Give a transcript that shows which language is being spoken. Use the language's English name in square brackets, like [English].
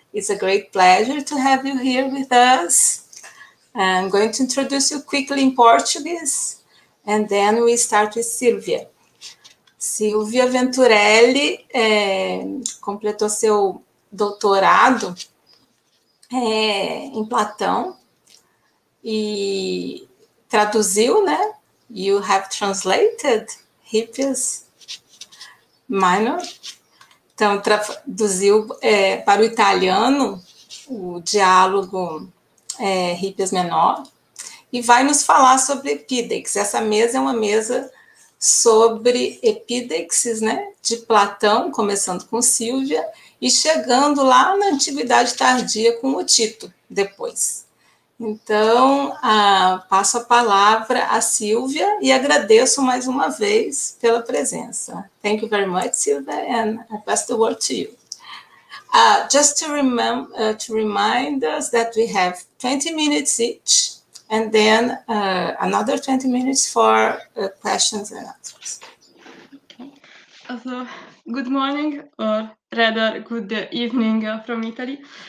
[English] It's a great pleasure to have you here with us. I'm going to introduce you quickly in Portuguese, and then we start with Silvia. [Portuguese] Silvia Venturelli completou seu doutorado em Platão e traduziu, né? [English] You have translated Hippias Minor. [Portuguese] Então, traduziu para o italiano o diálogo Hippias Menor e vai nos falar sobre epideixis. Essa mesa é uma mesa sobre epideixis, né, de Platão, começando com Silvia e chegando lá na Antiguidade Tardia com o Tito depois. Então, passo a palavra à Silvia e agradeço mais uma vez pela presença. [English] Thank you very much, Silvia, and I pass the word to you. Just to remind us that we have 20 minutes each, and then another 20 minutes for questions and answers. Okay. So, good morning, or rather, good evening from Italy.